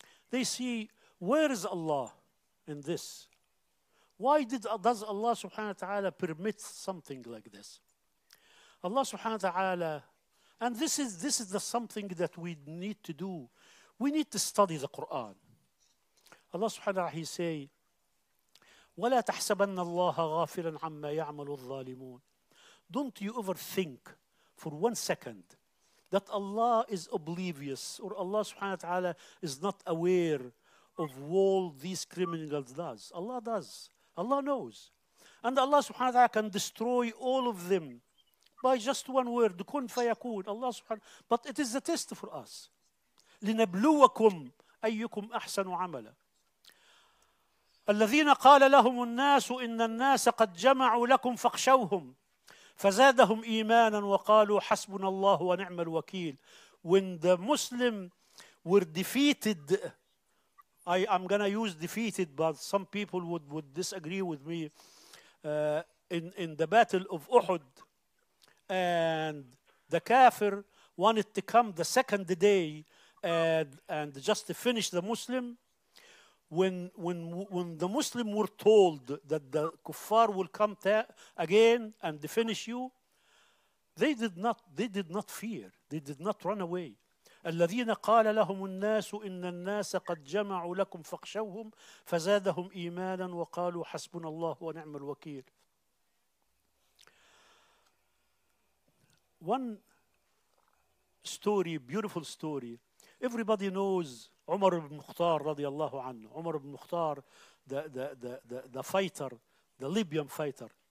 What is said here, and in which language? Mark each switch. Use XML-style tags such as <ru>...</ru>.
<en>They see, where is Allah in this? Why does Allah subhanahu wa ta'ala permit something like this? Allah subhanahu wa ta'ala, and this is the something that we need to do. We need to study the Quran.</en> <ar>Allah subhanahu wa ta'ala,</ar> <en>he say,</en> <ar>وَلَا تَحْسَبَنَّ اللَّهَ غَافِلًا عَمَّا يَعْمَلُ الظَّالِمُونَ.</ar> <en>Don't you ever think for one second that Allah is oblivious, or Allah subhanahu wa ta'ala is not aware of all these criminals does. Allah does. Allah knows. And Allah subhanahu wa ta'ala can destroy all of them by just one word,</en> <ar>كُنْ فَيَكُونَ.</ar> <en>Allah subhanahu wa ta'ala. But it is a test for us.</en> <ar>لِنَبْلُوَكُمْ أَيُّكُمْ أَحْسَنُ عَمَلًا. الذين قال لهم الناس إن الناس قد جمعوا لكم فاخشوهم فزادهم إيمانا وقالوا حسبنا الله ونعم الوكيل.</ar> <en>When the Muslim were defeated, I'm gonna use defeated, but some people would disagree with me, in the battle of Uhud, and the kafir wanted to come the second day and just to finish the Muslim. When the Muslim were told that the kuffar will come again and finish you, they did not fear, they did not run away.</en> <ar>الذين قال لهم الناس إن الناس قد جمعوا لكم فخشوهم فزادهم إيمانا وقالوا حسبنا الله ونعم الوكيل.</ar> <en>One story, beautiful story. Everybody knows Umar ibn Mukhtar radiallahu anhu. Umar ibn Mukhtar, the fighter, the Libyan fighter.</en>